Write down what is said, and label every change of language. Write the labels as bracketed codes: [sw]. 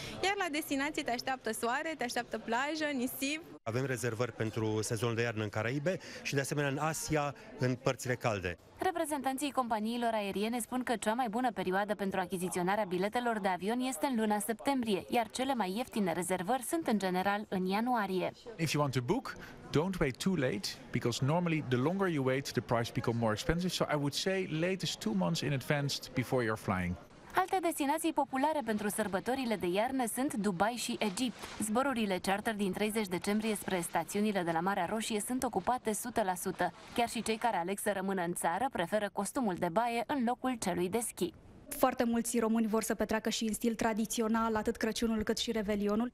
[ro] Iar la destinație te așteaptă soare, te așteaptă plajă, nisip. Avem rezervări pentru sezonul de iarnă în Caraibe și de asemenea în Asia, în părțile calde. Reprezentanții companiilor aeriene spun că cea mai bună perioadă pentru achiziționarea biletelor de avion este în luna septembrie, iar cele mai ieftine rezervări sunt în general în ianuarie. [en] If you want to book, don't wait too late, because normally the longer you wait, the price become more expensive. So I would say latest 2 months in advance before you're flying. [ro] Alte destinații populare pentru sărbătorile de iarnă sunt Dubai și Egipt. Zborurile charter din 30 decembrie spre stațiunile de la Marea Roșie sunt ocupate 100%. Chiar și cei care aleg să rămână în țară preferă costumul de baie în locul celui de schi. Foarte mulți români vor să petreacă și în stil tradițional atât Crăciunul cât și Revelionul.